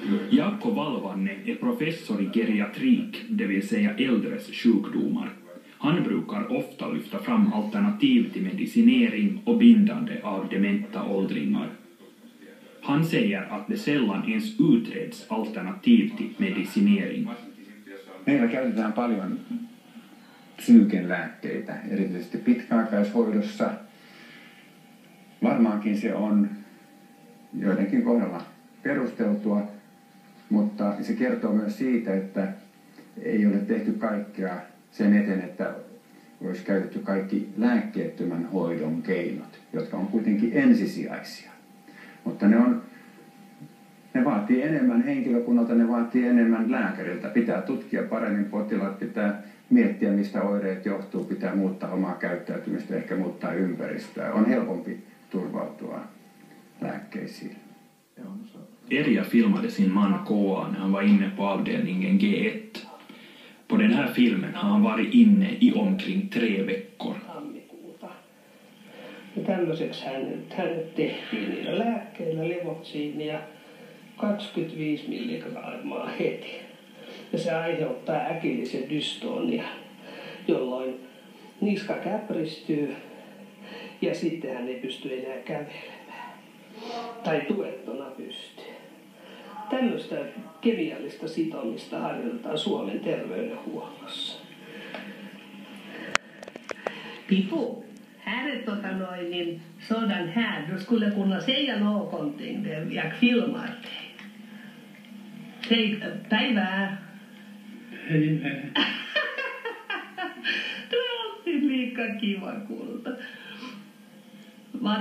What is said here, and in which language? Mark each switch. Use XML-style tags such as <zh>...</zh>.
<sv>Jaakko Valvanne är professor i geriatrik, det vill säga äldres sjukdomar. Han brukar ofta lyfta fram alternativ till medicinering och bindande av dementa åldringar. Han säger att det sällan ens utreds alternativ till medicinering.</sv> <fi>Meillä käytetään paljon psyykenlääkkeitä, erityisesti pitkäaikaishoidossa. Varmaankin se on joidenkin kohdalla perusteltua, mutta se kertoo myös siitä, että ei ole tehty kaikkea sen eteen, että olisi käytetty kaikki lääkkeettömän hoidon keinot, jotka on kuitenkin ensisijaisia. Mutta ne vaatii enemmän henkilökunnalta, ne vaatii enemmän lääkäriltä. Pitää tutkia paremmin potilaat, pitää miettiä, mistä oireet johtuu, pitää muuttaa omaa käyttäytymistä, ehkä muuttaa ympäristöä. On helpompi turvautua lääkkeisiin.</fi> <sv>Erja filmade sin man Koa när han var inne på avdelningen G1. På den här filmen har han varit inne i omkring 3 veckor.</sv> <fi>Tammikuuta. Ja tämmöiseksi hänet tehtiin niillä lääkkeillä, levotsiinia 25 milligrammaa heti. Ja se aiheuttaa äkillisen dystonia, jolloin niska käpristyy ja sitten hän ei pysty enää kävelemään. Tai tuettuna pystyy. Tämmöistä kemiallista sitomista harjoitetaan Suomen terveydenhuollossa.</fi> <sv>Pipu, här är niin sådan här. Du skulle kunna säga någonting där jag filmar dig.</sv> <fi>Hej, päivää.</fi> <sv>Hej, hej. Du är alltid lika kiva kulta.</sv>